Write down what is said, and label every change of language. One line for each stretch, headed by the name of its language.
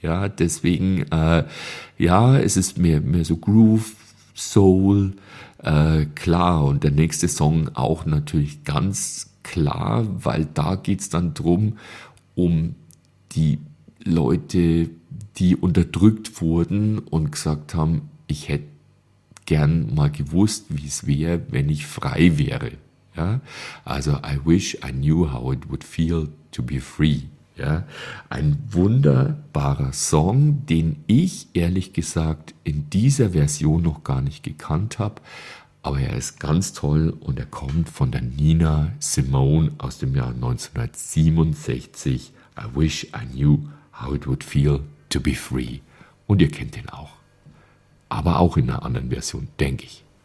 German: Ja, deswegen, es ist mehr so Groove, Soul, klar, und der nächste Song auch natürlich ganz klar, weil da geht es dann drum, um die Leute, die unterdrückt wurden und gesagt haben, ich hätte gern mal gewusst, wie es wäre, wenn ich frei wäre. Ja?
English: Also, I wish I knew how it would feel to be free.
German: Ja? Ein wunderbarer Song, den ich ehrlich gesagt in dieser Version noch gar nicht gekannt habe, aber er ist ganz toll und er kommt von der Nina Simone aus dem Jahr 1967.
English: I wish I knew how it would feel to be free.
German: Und ihr kennt den auch. Aber auch in einer anderen Version, denke ich.